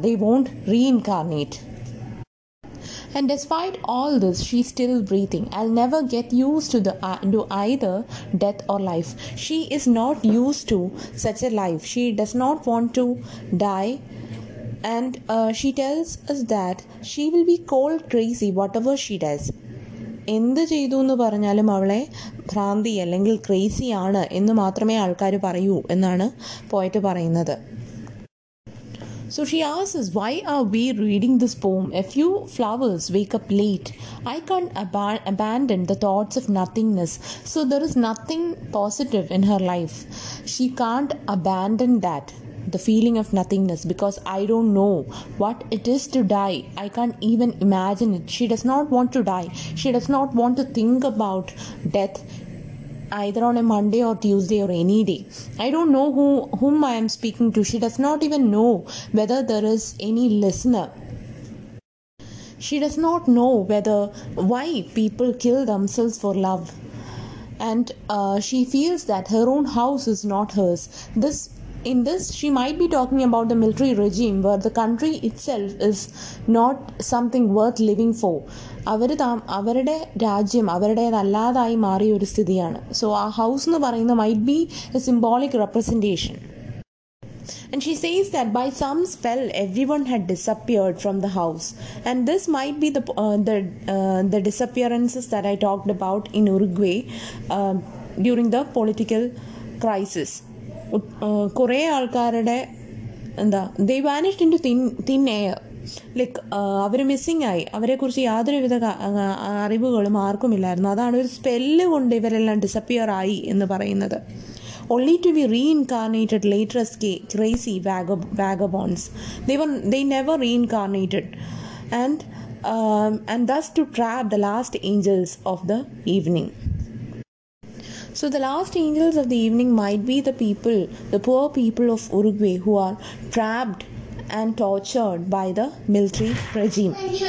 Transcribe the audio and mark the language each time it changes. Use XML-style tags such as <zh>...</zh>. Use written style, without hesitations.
<en>They won't reincarnate. And despite all this, she's still breathing. I'll never get used to either death or life. She is not used to such a life. She does not want to die. And she tells us that she will be called crazy whatever she does.</en> <ml>എന്ത് ചെയ്തു എന്ന് പറഞ്ഞാലും അവളെ ഭ്രാന്തി അല്ലെങ്കിൽ crazy ആണ് എന്ന് മാത്രമേ ആൾക്കാർ പറയൂ എന്നാണ് പോയറ്റ് പറയുന്നത്.</ml> <en>So she asks us, why are we reading this poem? A few flowers wake up late. I can't abandon the thoughts of nothingness. So there is nothing positive in her life. She can't abandon that, the feeling of nothingness, because I don't know what it is to die. I can't even imagine it. She does not want to die. She does not want to think about death either on a Monday or Tuesday or any day. I don't know whom I am speaking to. She does not even know whether there is any listener. She does not know why people kill themselves for love. And she feels that her own house is not hers. In this, she might be talking about the military regime where the country itself is not something worth living for.</en> <ml>അവരുടെ രാജ്യം അവരുടേതല്ലാതായി മാറിയ ഒരു സ്ഥിതിയാണ്.</ml> <en>so ആ house</en> <ml>എന്ന് പറയുന്നത്</ml> <en>Might be a symbolic representation. And she says that by some spell everyone had disappeared from the house, and this might be the disappearances that I talked about in Uruguay during the political crisis.</en> <ml>കുറേ ആൾക്കാരുടെ</ml> <en>they vanished into thin air.</en> <ml>Our missing ആയി. അവരെ കുറിച്ച് യാതൊരുവിധ അറിവുകളും ആർക്കുമില്ലായിരുന്നു. അതാണ് ഒരു spell കൊണ്ട് ഇവരെല്ലാം ഡിസപ്പിയർ ആയി എന്ന് പറയുന്നത്.</ml> <en>Only to be reincarnated later as കെ crazy vagabonds they never reincarnated and thus to trap the last angels of the evening. So the last angels of the evening might be the people, the poor people of Uruguay, who are trapped and tortured by the military regime.</en>